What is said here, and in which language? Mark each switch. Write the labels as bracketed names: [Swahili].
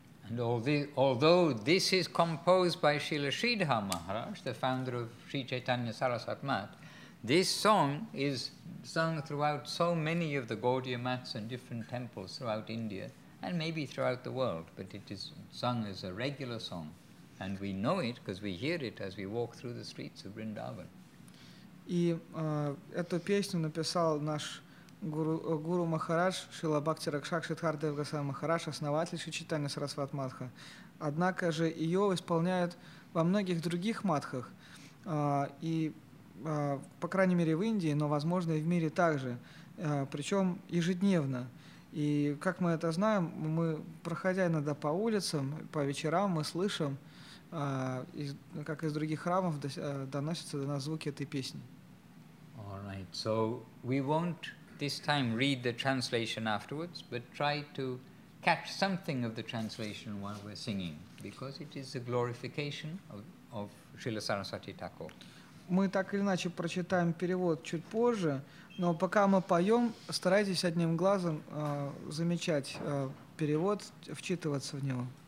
[English] And although this is composed by Srila Sridhar Maharaj, the founder of Sri Chaitanya Sarasvati Math, this song is sung throughout so many of the Gaudiya Maths and different temples throughout India and maybe throughout the world, but it is sung as a regular song. And we know it because we hear it as we walk through the streets of Vrindavan. [Russian] И эту песню написал наш Гуру Махарадж, Шрила Бхакти Ракшак Шридхар Дев Госвами Махарадж, основатель Шри Чайтанья Сарасвати Матха. Однако же ее исполняют во многих других матхах, и, по крайней мере, в Индии, но, возможно, и в мире также, причем ежедневно. И, как мы это знаем, мы, проходя иногда по улицам, по вечерам, мы слышим, как из других храмов доносятся до нас звуки этой песни. [English] All right, so we won't this time read the translation afterwards, but try to catch something of the translation while we're singing, because it is a glorification of Srila Sarasvati Thakur. [Russian] Мы так или иначе прочитаем перевод чуть позже, но пока мы поем, старайтесь одним глазом замечать перевод, вчитываться в него.